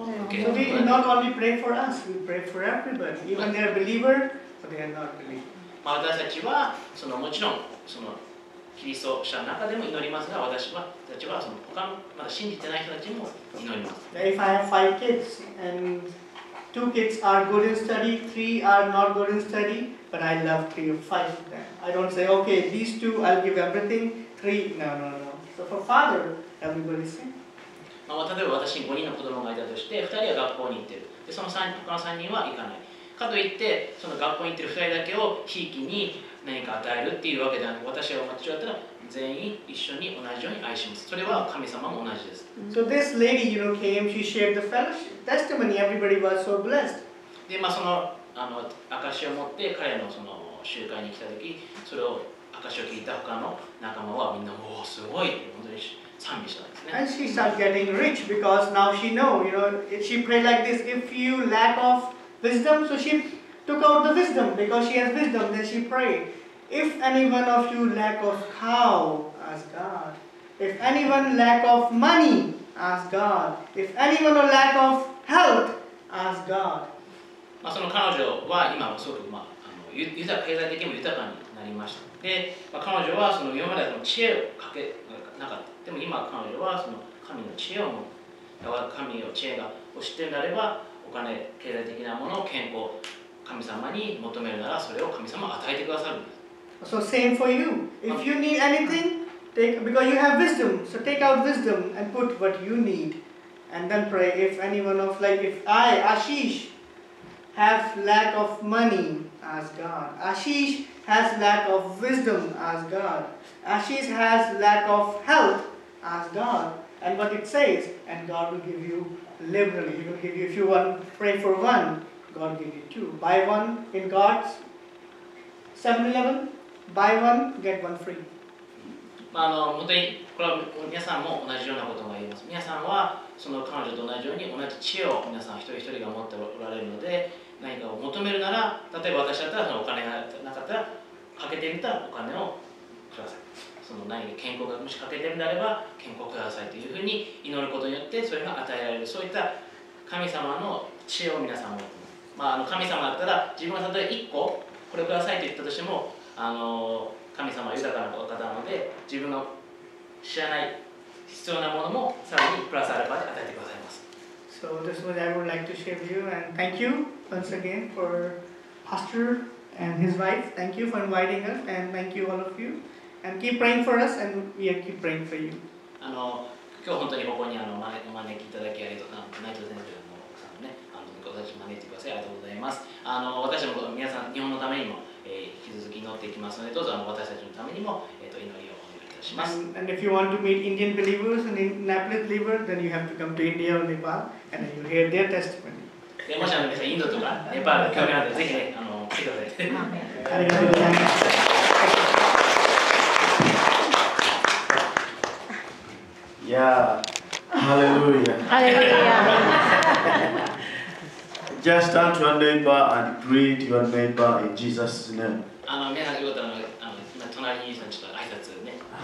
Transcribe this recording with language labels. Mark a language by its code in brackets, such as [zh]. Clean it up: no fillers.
[en] So we not only pray for us, we pray for everybody, even they are believer, but they are not believer. [ja] 私たちはそのもちろんそのキリスト者の中でも祈りますが、私たちはその他のまだ信じてない人たちも祈ります。 [en] If I have 5 kids and 2 kids are good in study, 3 are not good in study, but I love 3 or 5 of them. I don't say, okay, these 2 I'll give everything, 3, no. So for father, everybody is same. [ja] まあ、例えば私に5人の子供がいたとして2人は学校に行ってる。でその3他の3人は行かない。かといってその学校に行ってる2人だけをひいきに何か与えるっていうわけではなく私が同じだったら全員一緒に同じように愛します。それは神様も同じです。 [en] So this lady, you know, came, she shared the fellowship. Testimony, everybody was so blessed. [ja] で、まあ、その証を持って彼のその集会に来た時、それを証を聞いた他の仲間はみんな、おお、すごい本当に。 [en] And she started getting rich because now she know, you know, she prayed like this, if you lack of wisdom, so she took out the wisdom because she has wisdom, then she prayed. If anyone of you lack of cow, ask God. If anyone lack of money, ask God. If anyone lack of health, ask God. [ja] まあその彼女は今はすごくまあ、経済的にも豊かになりました。で、まあ、彼女はその今までの知恵をかけなかった。でも今彼女はその神の知恵を持って、神の知恵を知っているのであれば、お金、経済的なものを健康、神様に求めるならそれを神様が与えてくださるんです。 [en] So same for you. If you need anything, take, because you have wisdom, so take out wisdom and put what you need. And then pray if anyone of, like if I, Ashish, have lack of money, ask God. Ashish has lack of wisdom, ask God. Ashish has lack of health, ask God. And what it says, and God will give you liberally. He will give you, if you want, pray for one, God will give you two. Buy one in God's 7-Eleven, buy one, get one free. [ja] まあ、あの、本当にこれは皆さんも同じようなことが言います。皆さんはその彼女と同じように同じ知恵を皆さん一人一人が持っておられるので、何かを求めるなら、例えば私だったらそのお金がなかったら、かけてみたらお金をください。その何か健康がもしかけてるんであれば健康くださいというふうに祈ることによってそれが与えられるそういった神様の知恵を皆さんも、まあ、あの神様だったら自分が例えば1個これくださいと言ったとしてもあの神様は豊かな方なので自分の知らない必要なものもさらにプラスアルファで与えてくださいます。 [en] So this was I would like to share with you and thank you once again for Pastor and his wife. Thank you for inviting us and thank you all of you. And keep praying for us, and we are keep praying for you. [ja] あの今日本当にここにあの招きいただきありがとうございます。内藤先生の奥さんね、あの私招いてくださいありがとうございます。あの私も皆さん日本のためにも、引き続き祈っていきますので、どうぞあの私たちのためにも、祈りをお願いいたします。 [en] And if you want to meet Indian believers and Nepalese believers, then you have to come to India or Nepal, and then you hear their testimony. [ja] でもしあの皆さんインドとかネパール興味あるぜひねあの来てください。ありがとうございます。 [en] Yeah, hallelujah. Hallelujah. Just turn to your neighbor and greet your neighbor in Jesus' name. [ja] 皆さん、今隣にいる人にちょっと挨拶ね。